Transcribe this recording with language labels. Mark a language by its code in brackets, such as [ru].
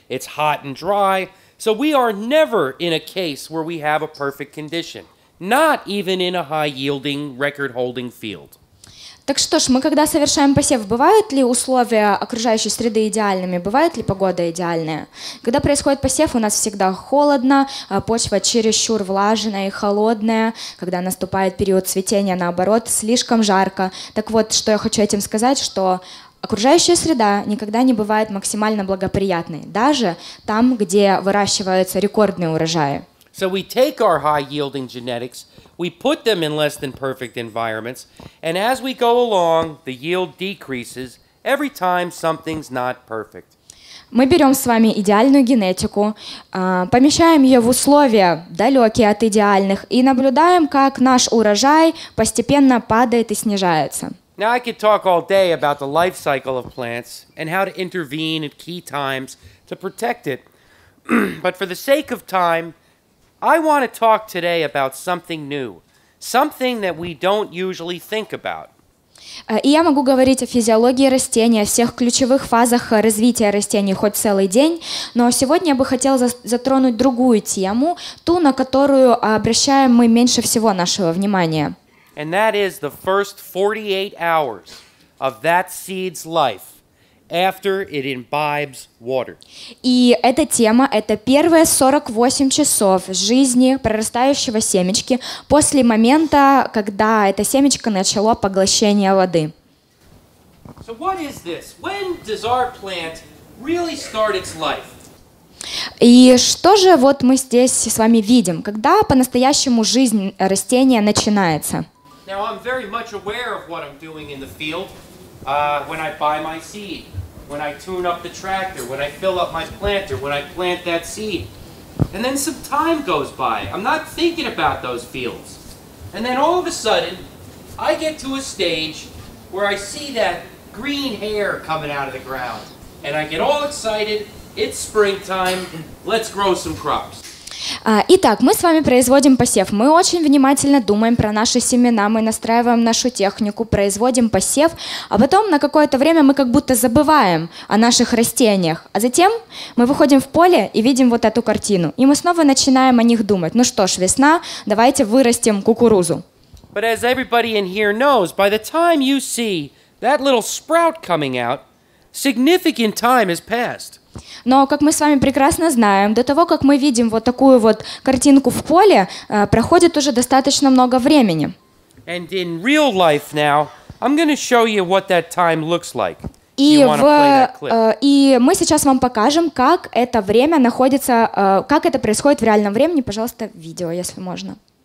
[en] It's hot and dry. So we are never in a case where we have a perfect condition. Not even in a high-yielding, record-holding field. [ru] Так что ж, мы когда совершаем посев, бывают ли условия окружающей среды идеальными? Бывает ли погода идеальная? Когда происходит посев, у нас всегда холодно, почва чересчур влажная и холодная. Когда наступает период цветения, наоборот, слишком жарко. Так вот, что я хочу этим сказать, что окружающая среда никогда не бывает максимально благоприятной, даже там, где выращиваются рекордные урожаи. [en] So we take our high-yielding genetics, we put them in less than perfect environments, and as we go along, the yield decreases every time something's not perfect. [ru] Мы берем с вами идеальную генетику, помещаем ее в условия, далекие от идеальных, и наблюдаем, как наш урожай постепенно падает и снижается. [en] Now I could talk all day about the life cycle of plants and how to intervene at key times to protect it. But for the sake of time, I want to talk today about something new, something that we don't usually think about. [ru] И я могу говорить о физиологии растения, о всех ключевых фазах развития растений хоть целый день, но сегодня я бы хотела затронуть другую тему, ту, на которую обращаем мы меньше всего нашего внимания. [en] And that is the first 48 hours of that seed's life after it imbibes water. [ru] И эта тема — это первые 48 часов жизни прорастающего семечки после момента, когда это семечко начало поглощение воды. [en] So what is this? When does our plant really start its life? [ru] И что же вот мы здесь с вами видим? Когда по-настоящему жизнь растения начинается? [en] Now I'm very much aware of what I'm doing in the field when I buy my seed. When I tune up the tractor, when I fill up my planter, when I plant that seed. And then some time goes by. I'm not thinking about those fields. And then all of a sudden, I get to a stage where I see that green hair coming out of the ground. And I get all excited. It's springtime. Let's grow some crops. [ru] Итак, мы с вами производим посев. Мы очень внимательно думаем про наши семена, мы настраиваем нашу технику, производим посев, а потом на какое-то время мы как будто забываем о наших растениях. А затем мы выходим в поле и видим вот эту картину. И мы снова начинаем о них думать. Ну что ж, весна, давайте вырастим кукурузу. [en] But as everybody in here knows, by the time you see that little sprout coming out, significant time has passed. [ru] Но, как мы с вами прекрасно знаем, до того, как мы видим вот такую вот картинку в поле, проходит уже достаточно много времени. [en] And in real life now, I'm gonna show you what that time looks like. [ru] И мы сейчас вам покажем, как это время находится, как это происходит в реальном времени. Пожалуйста, видео, если можно.